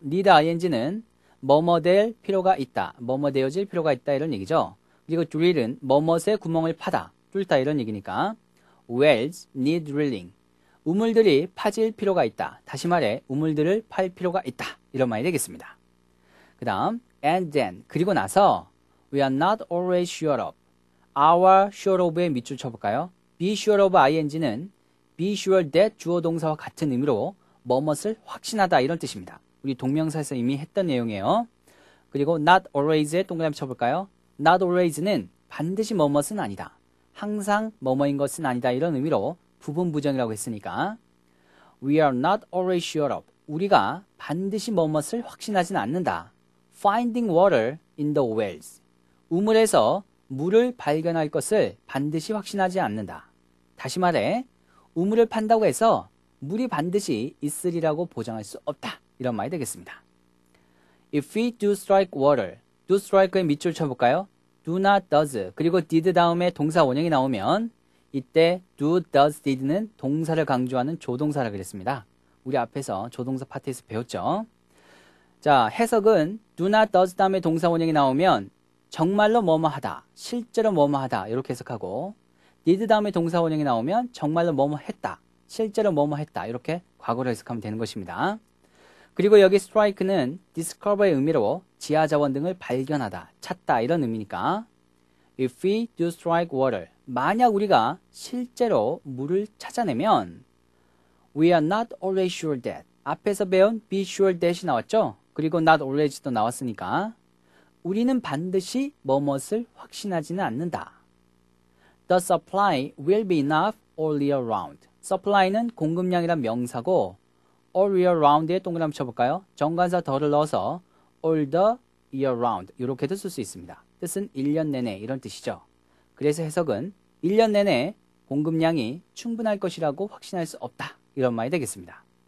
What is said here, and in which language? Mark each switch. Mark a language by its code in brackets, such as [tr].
[ko] Need ing는 뭐뭐될 필요가 있다, 뭐뭐되어질 필요가 있다 이런 얘기죠. 그리고 drill은 뭐뭐에 구멍을 파다, 뚫다 이런 얘기니까 [en] wells need drilling. [ko] 우물들이 파질 필요가 있다. 다시 말해 우물들을 팔 필요가 있다. 이런 말이 되겠습니다. 그 다음 [en] and then [ko] 그리고 나서 [en] we are not always sure of our sure of의 [ko] 밑줄 쳐볼까요? be sure of ing는 be sure that 주어 동사와 같은 의미로 뭐뭇을 확신하다 이런 뜻입니다. 우리 동명사에서 이미 했던 내용이에요. 그리고 not always의 동그라미 쳐볼까요? not always는 반드시 뭐뭇은 아니다. 항상 뭐뭇인 것은 아니다 이런 의미로 부분 부정이라고 했으니까 [en] We are not always sure of [ko] 우리가 반드시 뭐뭇을 확신하진 않는다. [en] Finding water in the wells [ko] 우물에서 물을 발견할 것을 반드시 확신하지 않는다. 다시 말해 우물을 판다고 해서 물이 반드시 있으리라고 보장할 수 없다. 이런 말이 되겠습니다. [en] If we do strike water Do strike의 [ko] 밑줄 쳐볼까요? Do not does 그리고 did 다음에 동사 원형이 나오면 이때 do, does, did는 동사를 강조하는 조동사라고 그랬습니다. 우리 앞에서 조동사 파트에서 배웠죠. 자, 해석은 do not, does 다음에 동사 원형이 나오면 정말로 뭐뭐하다, 실제로 뭐뭐하다 이렇게 해석하고 did 다음에 동사 원형이 나오면 정말로 뭐뭐했다, 실제로 뭐뭐했다 이렇게 과거로 해석하면 되는 것입니다. 그리고 여기 strike는 discover의 의미로 지하자원 등을 발견하다, 찾다 이런 의미니까 [en] If we do strike water, [ko] 만약 우리가 실제로 물을 찾아내면 [en] We are not always sure that [ko] 앞에서 배운 be sure that이 나왔죠? 그리고 not always도 나왔으니까 우리는 반드시 뭐뭇을 확신하지는 않는다. [en] The supply will be enough all year round. [ko] Supply는 공급량이란 명사고 all year round에 동그라미 쳐볼까요? 정관사 더를 넣어서 [en] all the year round. [ko] 이렇게도 쓸 수 있습니다. 뜻은 1년 내내 이런 뜻이죠. 그래서 해석은 1년 내내 공급량이 충분할 것이라고 확신할 수 없다. 이런 말이 되겠습니다.